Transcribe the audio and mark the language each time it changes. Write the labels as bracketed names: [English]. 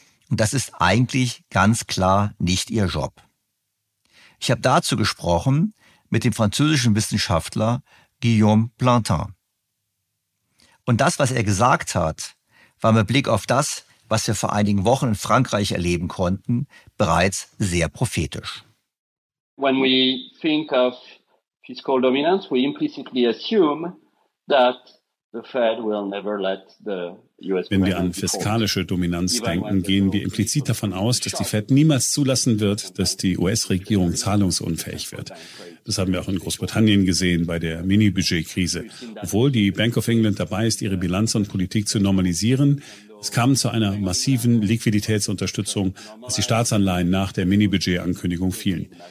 [German] Und das ist eigentlich ganz klar nicht ihr Job. Ich habe dazu gesprochen mit dem französischen Wissenschaftler Guillaume Plantin. Und das, was er gesagt hat, war mit Blick auf das, was wir vor einigen Wochen in Frankreich erleben konnten, bereits sehr prophetisch. [English] When we think of fiscal dominance, we implicitly assume that [German] Wenn wir an fiskalische Dominanz denken, gehen wir implizit davon aus, dass die Fed niemals zulassen wird, dass die US-Regierung zahlungsunfähig wird. Das haben wir auch in Großbritannien gesehen bei der Mini-Budget-Krise. Obwohl die Bank of England dabei ist, ihre Bilanz und Politik zu normalisieren, es kam zu einer massiven Liquiditätsunterstützung, als die Staatsanleihen nach der Mini-Budget-Ankündigung fielen.